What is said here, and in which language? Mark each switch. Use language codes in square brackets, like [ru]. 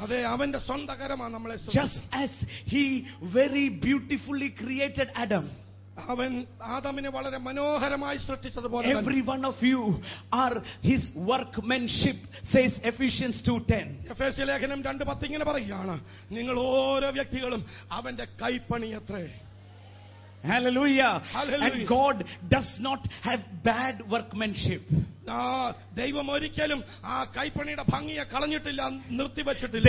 [ml] അതെ, അവന്റെ സ്വന്തം കരമാണ് നമ്മളെ സൃഷ്ടിച്ചു. [en] Just as he very beautifully created Adam. [ml] അവൻ ആദാമിനെ വളരെ മനോഹരമായി സൃഷ്ടിച്ചതുപോലെ. [en] Every one of you are his workmanship, says Ephesians 2:10. [ml] എഫേസ്യ ലേഖനം 2:10 ഇങ്ങനെ പറയുകയാണ്, നിങ്ങൾ ഓരോ വ്യക്തികളും അവന്റെ കൈപ്പണിയത്രേ. [en] Hallelujah. Hallelujah. And God does not have bad workmanship. [ml] ദൈവം ഒരിക്കലും ആ കൈപ്പണിയുടെ ഭംഗിയെ കളഞ്ഞിട്ടില്ല, നിർത്തിവച്ചിട്ടില്ല.